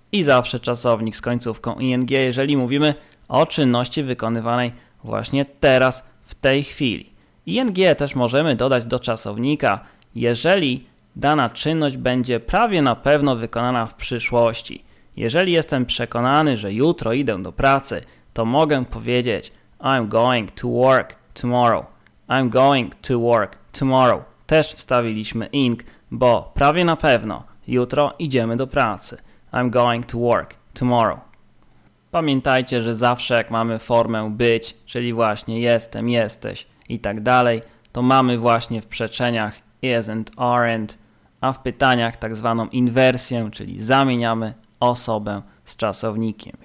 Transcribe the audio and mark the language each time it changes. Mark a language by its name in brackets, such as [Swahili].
[Polish] I zawsze czasownik z końcówką ing, jeżeli mówimy o czynności wykonywanej właśnie teraz, w tej chwili. Ing też możemy dodać do czasownika, jeżeli dana czynność będzie prawie na pewno wykonana w przyszłości. Jeżeli jestem przekonany, że jutro idę do pracy, to mogę powiedzieć [English] I'm going to work tomorrow. I'm going to work tomorrow. [Polish] Też wstawiliśmy ing, bo prawie na pewno jutro idziemy do pracy. [English] I'm going to work tomorrow. [Polish] Pamiętajcie, że zawsze jak mamy formę być, czyli właśnie jestem, jesteś i tak dalej, to mamy właśnie w przeczeniach isn't, aren't, a w pytaniach tak zwaną inwersję, czyli zamieniamy osobę z czasownikiem.